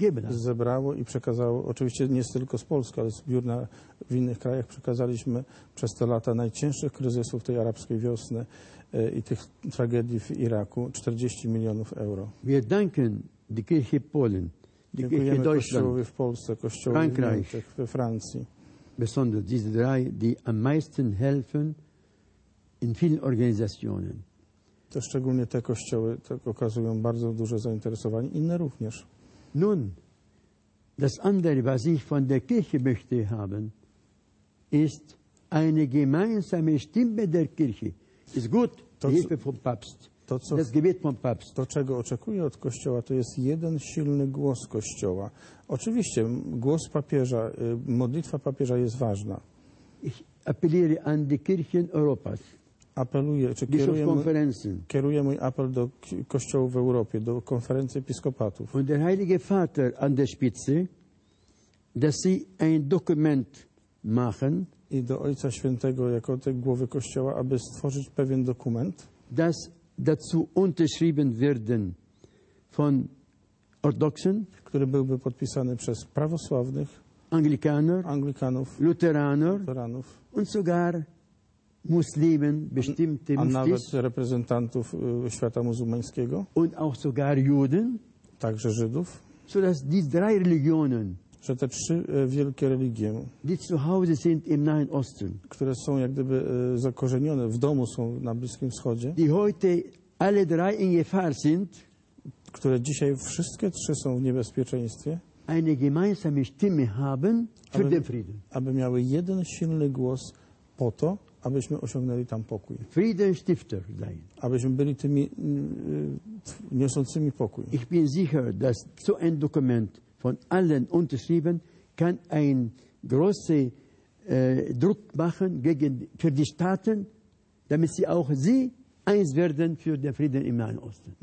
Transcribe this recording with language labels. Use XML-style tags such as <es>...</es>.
<pl>Zebrało i przekazało, oczywiście nie tylko z Polski, ale z biur w innych krajach przekazaliśmy przez te lata najcięższych kryzysów tej arabskiej wiosny i tych tragedii w Iraku 40 milionów euro. Dziękujemy Kościołowi w Polsce, Kościołowi w Niemczech, we Francji.</pl> <de>Besonders diese drei, die am meisten helfen in vielen Organisationen.</de> <pl>To szczególnie te kościoły tak okazują bardzo duże zainteresowanie, inne również.</pl> <de>Nun, das andere, was ich von der Kirche möchte haben, ist eine gemeinsame Stimme der Kirche. Ist gut, to, die Hilfe vom Papst.</de> <pl>To, co,</pl> <de>das Gebet vom Papst.</de> <pl>To, czego oczekuję od kościoła, to jest jeden silny głos kościoła. Oczywiście, głos papieża, modlitwa papieża jest ważna.</pl> <de>Ich appelliere an die Kirchen Europas.</de> <pl>Apeluję, czy kieruję mój apel do kościołów w Europie, do konferencji episkopatów.</pl> <de>Und der Heilige Vater an der Spitze, dass sie ein Dokument machen.</de> <pl>I do Ojca Świętego jako tej głowy kościoła, aby stworzyć pewien dokument.</pl> <de>Dass dazu unterschrieben werden von Orthodoxen,</de> <pl>który byłby podpisany przez prawosławnych, Anglikanów, Luteranów</pl> <de>und sogar Muslimen, bestimmte Muslimen.</de> <pl>A nawet reprezentantów świata muzułmańskiego.</pl> <de>Und auch sogar Juden.</de> <pl>Także Żydów.</pl> <de>So dass die drei Religionen,</de> <pl>że te trzy wielkie religie,</pl> <de>die zu Hause sind im Nahen Osten,</de> <pl>które są jak gdyby zakorzenione w domu, są na Bliskim Wschodzie,</pl> <de>die heute alle drei in Gefahr sind,</de> <pl>które dzisiaj wszystkie trzy są w niebezpieczeństwie,</pl> <de>eine gemeinsame Stimme haben für den Frieden.</de> <pl>Aby miały jeden silny głos po to, abyśmy osiągnęli tam pokój.</pl> <de>Frieden Stifter sein.</de> <pl>Abyśmy byli tymi niosącymi pokój.</pl> <de>Ich bin sicher, dass so ein Dokument von allen unterschrieben kann ein große Druck machen gegen für die Staaten, damit sie auch sie eins werden für den Frieden im Nahen Osten.</de>